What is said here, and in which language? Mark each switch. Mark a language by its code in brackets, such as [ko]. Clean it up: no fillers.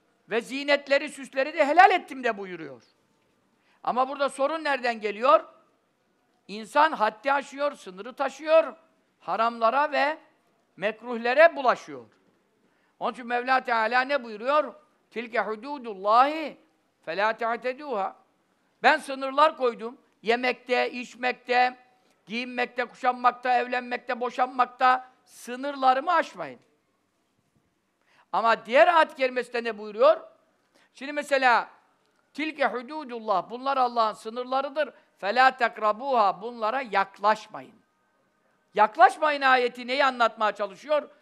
[tr] Ve ziynetleri, süsleri de helal ettim de buyuruyor. Ama burada sorun nereden geliyor? İnsan haddi aşıyor, sınırı taşıyor, haramlara ve mekruhlere bulaşıyor. Onun için Mevla Teala ne buyuruyor? [ar] تِلْكَ حُدُودُ اللّٰهِ فَلَا تَعْتَدُوهَا [tr] Ben sınırlar koydum. Yemekte, içmekte, giyinmekte, kuşanmakta, evlenmekte, boşanmakta sınırlarımı aşmayın. Ama diğer ayet-i kerimesinde ne buyuruyor? Şimdi mesela tilke hududullah, bunlar Allah'ın sınırlarıdır. Fela tekrabuha, bunlara yaklaşmayın. Yaklaşmayın ayeti neyi anlatmaya çalışıyor?